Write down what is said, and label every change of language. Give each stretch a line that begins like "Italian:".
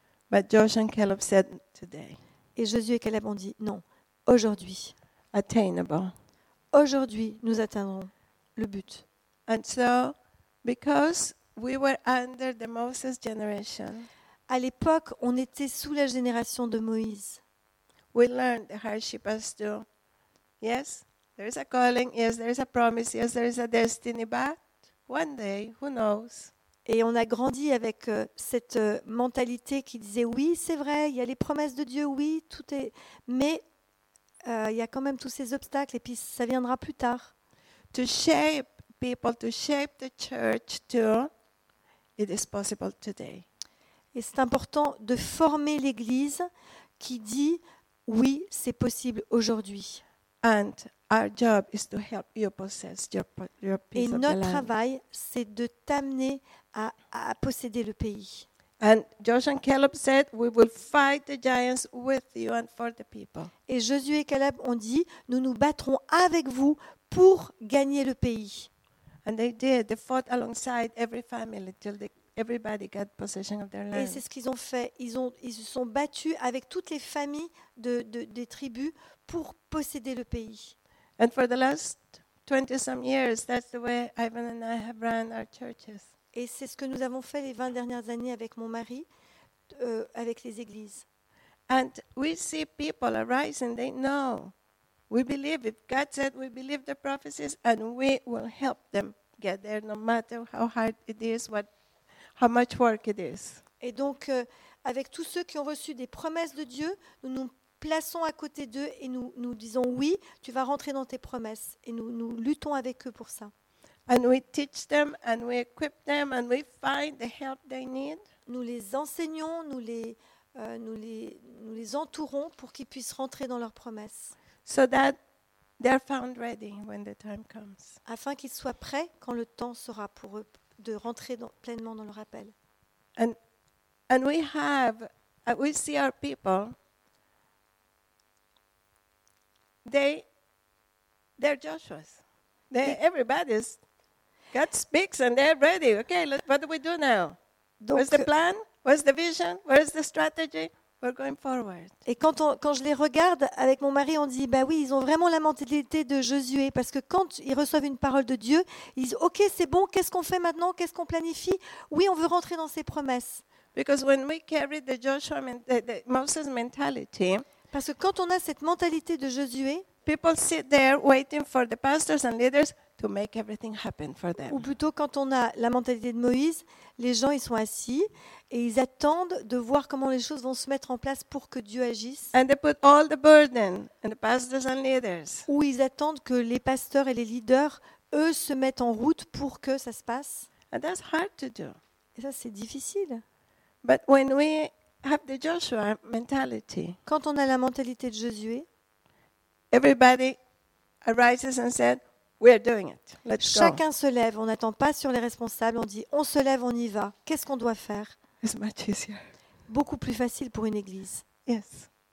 English: But Joshua and Caleb said today.
French: Et Josué et Caleb ont dit non, aujourd'hui.
English: Attainable.
French: Aujourd'hui, nous atteindrons le but.
English: And so because we were under the Moses generation.
French: À l'époque, on était sous la génération de Moïse.
English: We learned the hardship as to, yes, there is a calling, yes, there is a promise, yes, there is a destiny, but one day, who knows?
French: Et on a grandi avec cette mentalité qui disait, oui, c'est vrai, il y a les promesses de Dieu, oui, tout est, mais il y a quand même tous ces obstacles, et puis ça viendra plus tard.
English: To shape people, to shape the church too, it is possible today.
French: Et c'est important de former l'Église qui dit oui, c'est possible aujourd'hui.
English: And our job is to help you possess your piece of the land.
French: Et notre travail, c'est de t'amener à posséder le pays.
English: And Josh and Caleb said, "We will fight the giants with you and for the people."
French: Et Josué et Caleb ont dit, nous nous battrons avec vous pour gagner le pays.
English: And they did. They fought alongside every family till everybody got possession of their land.
French: Et c'est ce qu'ils ont fait. Ils se sont battus avec toutes les familles des tribus pour posséder le pays.
English: And for the last 20 some years, that's the way Ivan and I have run our churches.
French: Et c'est ce que nous avons fait les 20 dernières années avec mon mari, avec les églises.
English: And we see people arising. They know. We believe it. God said we believe the prophecies, and we will help them get there, no matter how hard it is, how much work it is.
French: Et donc, avec tous ceux qui ont reçu des promesses de Dieu, nous nous plaçons à côté d'eux et nous disons oui, tu vas rentrer dans tes promesses, et nous luttons avec eux pour ça.
English: And we teach them, and we equip them, and we find the help they need.
French: Nous les enseignons, nous les entourons pour qu'ils puissent rentrer dans leurs promesses.
English: So that they are found ready when the time comes.
French: Afin qu'ils soient prêts quand le temps sera pour eux de rentrer pleinement dans leur appel.
English: And we see our people. They're Joshua's. Everybody's. God speaks and they're ready. Okay, what do we do now? Donc, what's the plan? What's the vision? Where's the strategy? We're going forward.
French: Et quand je les regarde avec mon mari, on dit, bah oui, ils ont vraiment la mentalité de Josué, parce que quand ils reçoivent une parole de Dieu, ils disent, ok, c'est bon, qu'est-ce qu'on fait maintenant? Qu'est-ce qu'on planifie? Oui, on veut rentrer dans ces promesses.
English: Because when we carry the Joshua, the Moses mentality,
French: parce que quand on a cette mentalité de Josué,
English: people sit there waiting for the pastors and leaders to make everything happen for them.
French: Ou plutôt, quand on a la mentalité de Moïse, les gens ils sont assis et ils attendent de voir comment les choses vont se mettre en place pour que Dieu agisse.
English: And they put all the burden on the pastors and leaders.
French: Ou ils attendent que les pasteurs et les leaders eux se mettent en route pour que ça se passe.
English: And that's hard to do.
French: Et ça c'est difficile.
English: But when we have the Joshua mentality.
French: Quand on a la mentalité de Josué,
English: everybody arises and said, "We are doing it. Let's go."
French: Chacun se lève. On n'attend pas sur les responsables. On dit, on se lève, on y va. Qu'est-ce qu'on doit faire?
English: It's much easier.
French: Beaucoup plus facile pour une église.
English: Yes.